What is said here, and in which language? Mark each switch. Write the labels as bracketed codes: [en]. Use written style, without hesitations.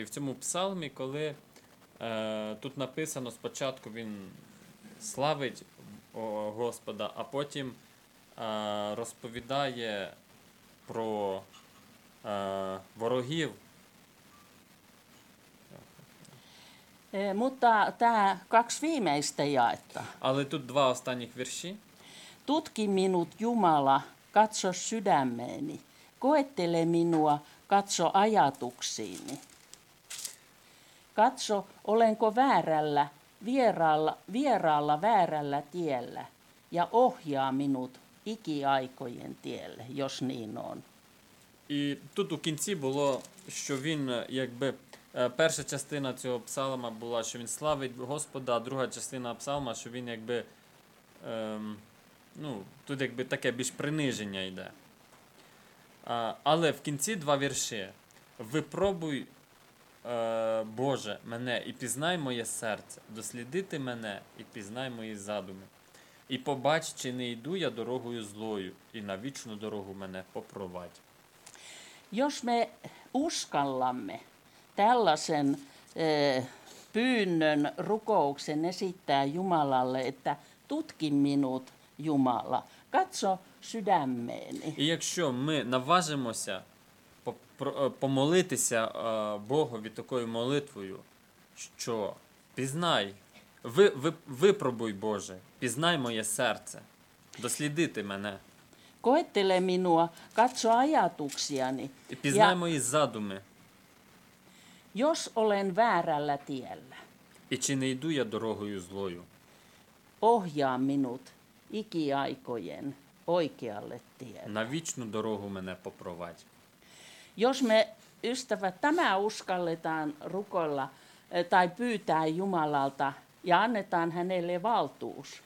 [uk] І в цьому псалмі, коли тут написано, спочатку він славить Господа, а потім розповідає про ворогів. [fi] Mutta tämä kaksi viimeistä jaetta. Але тут два останніх вірші. Tutki minut Jumala, katso sydämeeni. Koettele minua, katso ajatuksiini. Katso, olenko väärällä, vieraalla väärällä tiellä. Ja ohjaa minut ikiaikojen tielle, jos niin on. [uk] І тут у кінці було, що він якби... Перша частина цього псалма була, що він славить Господа, а друга частина псалма, що він якби, ну, тут якби таке більш приниження йде. Але в кінці два вірші. Випробуй, Боже, мене і пізнай моє серце, дослідити мене і пізнай мої задуми. І побач, чи не йду я дорогою злою, і на вічну дорогу мене попровадь. [fi] Jos me uskallamme tällaisen pyynnön, rukouksen esittää Jumalalle, että tutki minut, Jumala, katso sydämeeni. [uk] І якщо ми наважимося помолитися Богові такою молитвою, що пізнай, випробуй, Боже, пізнай моє серце, дослідити мене. [fi] Koettele minua, katso ajatuksiani. [uk] І пізнай мої задуми. [fi] Jos olen väärällä tiellä. [uk] І чи не йду я дорогою злою? [fi] Ohjaa minut ikiaikojen oikealle tielle. [uk] На вічну дорогу мене попровадь. [fi] Jos me, ystävät, tämä uskalletaan rukoilla tai pyytää Jumalalta ja annetaan hänelle valtuus.